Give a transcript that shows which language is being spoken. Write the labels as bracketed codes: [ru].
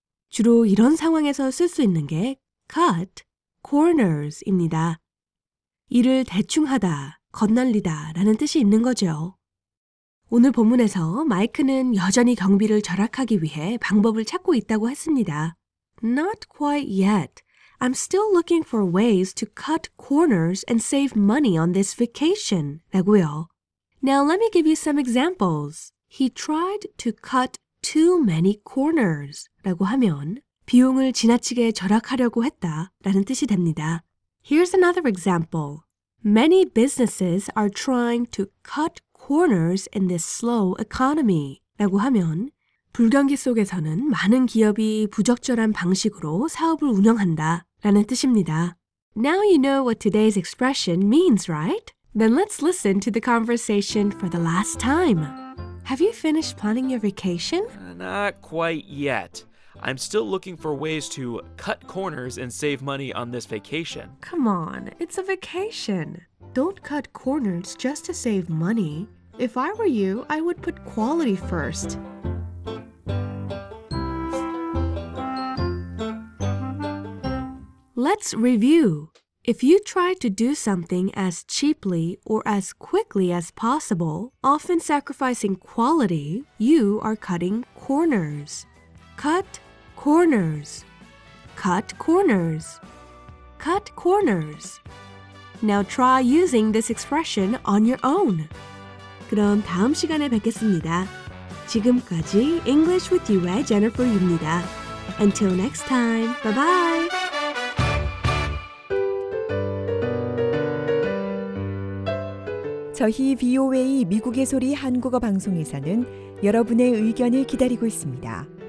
[ko] 주로 이런 상황에서 쓸 수 있는 게 cut corners입니다. 일을 대충하다, 겉날리다 라는 뜻이 있는 거죠. 오늘 본문에서 마이크는 여전히 경비를 절약하기 위해 방법을 찾고 있다고 했습니다. [en] Not quite yet. I'm still looking for ways to cut corners and save money on this vacation. [ko] 라고요. [en] Now let me give you some examples. He tried to cut too many corners. [ko] 라고 하면 비용을 지나치게 절약하려고 했다 라는 뜻이 됩니다. [en] Here's another example. Many businesses are trying to cut corners in this slow economy. [ko] 라고 하면 불경기 속에서는 많은 기업이 부적절한 방식으로 사업을 운영한다 라는 뜻입니다. [en] Now you know what today's expression means, right? Then let's listen to the conversation for the last time. Have you finished planning your vacation? Not quite yet. I'm still looking for ways to cut corners and save money on this vacation. Come on, it's a vacation. Don't cut corners just to save money. If I were you, I would put quality first. Let's review. If you try to do something as cheaply or as quickly as possible, often sacrificing quality, you are cutting corners. Cut corners. Cut corners. Cut corners. Now try using this expression on your own. [ko] 그럼 다음 시간에 뵙겠습니다. 지금까지 English with You의 Jennifer입니다. [en] Until next time, bye-bye. [ko] 저희 VOA 미국의 소리 한국어 방송에서는 여러분의 의견을 기다리고 있습니다.